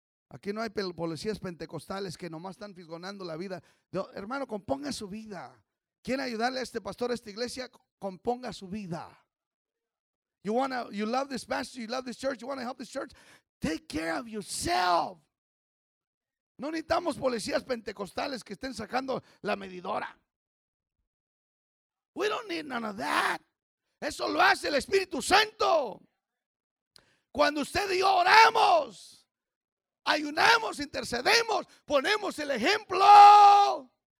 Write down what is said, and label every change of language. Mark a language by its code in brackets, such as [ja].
[es] Aquí no hay policías pentecostales que nomás están fisgonando la vida. Hermano, componga su vida. ¿Quiere ayudarle a este pastor, a esta iglesia? Componga su vida. [en] You love this pastor, you love this church, you want to help this church? Take care of yourself. [es] No necesitamos policías pentecostales que estén sacando la medidora. [en] We don't need none of that. [es] Eso lo hace el Espíritu Santo. Cuando usted y yo oramos, ayunamos, intercedemos, ponemos el ejemplo.